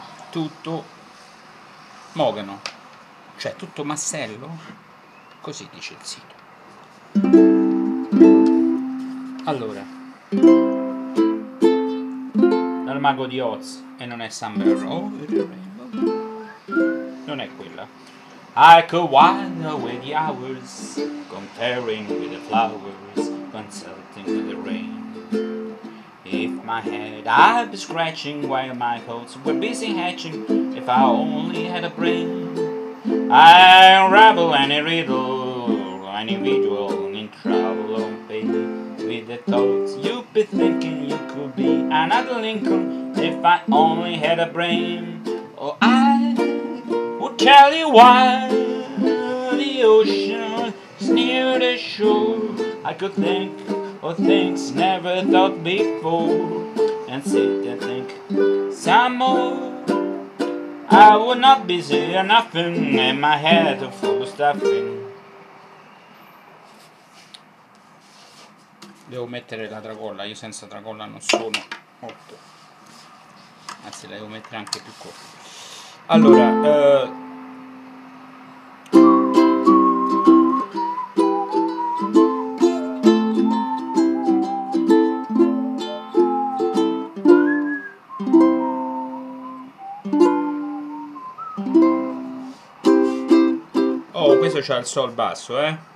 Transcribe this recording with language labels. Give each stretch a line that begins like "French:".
Italian: Tutto Mogano, cioè tutto massello, così dice il sito. Allora, dal Mago di Oz, e non è Somewhere Over the Rainbow, non è quella.
English: I could wind away the hours, comparing with the flowers, consulting with the rain. If my head I'd be scratching while my thoughts were busy hatching, if I only had a brain, I unravel any riddle, any individual in trouble or pain. With the thoughts you'd be thinking, you could be another Lincoln if I only had a brain. Oh, I would tell you why the ocean is near the shore. I could think of things never thought before, and sit and think some more. I would not be saying nothing, and my head too full of stuffing.
Italian: Devo mettere la tracolla, io senza tracolla non sono molto. Anzi, la devo mettere anche più corta. Allora, oh, questo c'ha il sol basso, eh?